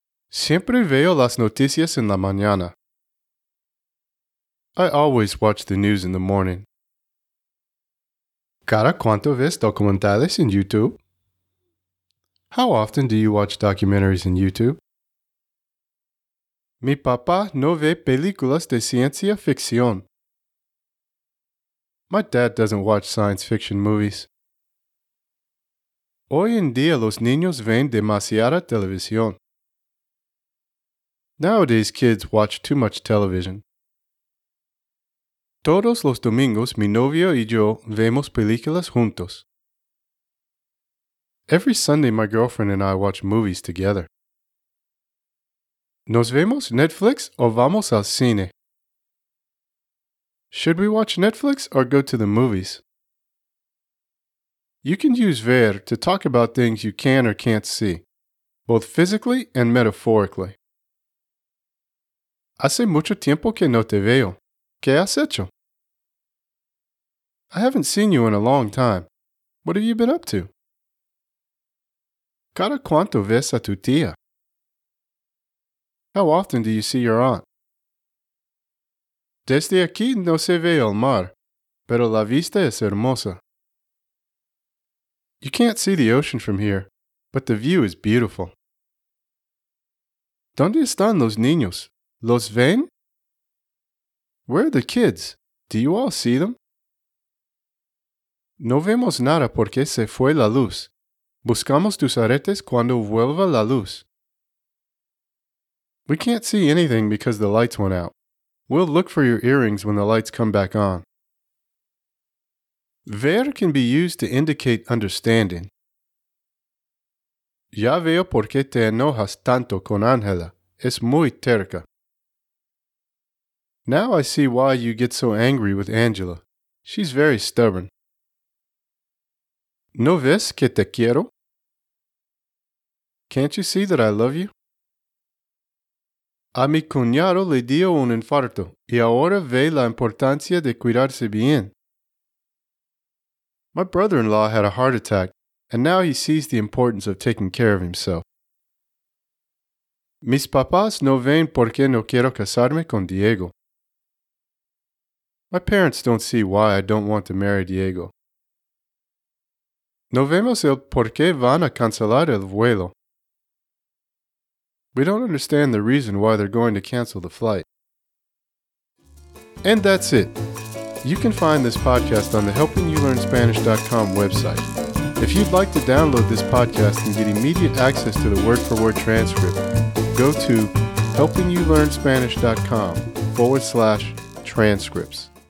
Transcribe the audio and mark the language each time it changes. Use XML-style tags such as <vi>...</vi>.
<es>Siempre veo las noticias en la mañana.</es> <en>I always watch the news in the morning.</en> <es>¿Cada cuánto ves documentales en YouTube?</es> <en>How often do you watch documentaries in YouTube?</en> <es>Mi papá no ve películas de ciencia ficción.</es> <en>My dad doesn't watch science fiction movies.</en> <es>Hoy en día los niños ven demasiada televisión.</es> <en>Nowadays kids watch too much television.</en> <es>Todos los domingos mi novio y yo vemos películas juntos.</es> <en>Every Sunday my girlfriend and I watch movies together.</en> <es>¿Nos vemos Netflix o vamos al cine?</es> <en>Should we watch Netflix or go to the movies? You can use ver to talk about things you can or can't see, both physically and metaphorically.</en> <es>Hace mucho tiempo que no te veo. ¿Qué has hecho?</es> <en>I haven't seen you in a long time. What have you been up to?</en> <es>¿Cada cuánto ves a tu tía?</es> <en>How often do you see your aunt?</en> <es>Desde aquí no se ve el mar, pero la vista es hermosa.</es> <en>You can't see the ocean from here, but the view is beautiful.</en> <es>¿Dónde están los niños? ¿Los ven?</es> <en>Where are the kids? Do you all see them?</en> <es>No vemos nada porque se fue la luz. Buscamos tus aretes cuando vuelva la luz.</es> <en>We can't see anything because the lights went out. We'll look for your earrings when the lights come back on. Ver can be used to indicate understanding.</en> <es>Ya veo por qué te enojas tanto con Ángela. Es muy terca.</es> <en>Now I see why you get so angry with Angela. She's very stubborn.</en> <es>¿No ves que te quiero?</es> <en>Can't you see that I love you?</en> <es>A mi cuñado le dio un infarto y ahora ve la importancia de cuidarse bien.</es> <en>My brother-in-law had a heart attack, and now he sees the importance of taking care of himself.</en> <es>Mis papás no ven por qué no quiero casarme con Diego.</es> <en>My parents don't see why I don't want to marry Diego.</en> <es>No vemos el por qué van a cancelar el vuelo.</es> <en>We don't understand the reason why they're going to cancel the flight. And that's it. You can find this podcast on the HelpingYouLearnSpanish.com website. If you'd like to download this podcast and get immediate access to the word-for-word transcript, go to HelpingYouLearnSpanish.com/transcripts.</en>